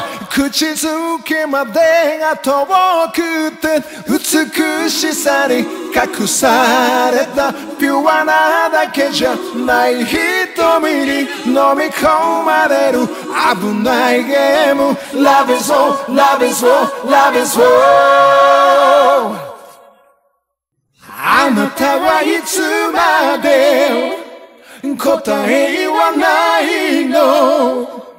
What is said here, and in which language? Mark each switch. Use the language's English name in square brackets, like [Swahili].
[Japanese] 口づけまでが遠くて、美しさに隠されたピュアなだけじゃない瞳に飲み込まれる危ないゲーム。 [English] Love is war, love is war, love is war。 [Japanese] あなたはいつまで答え言わないの。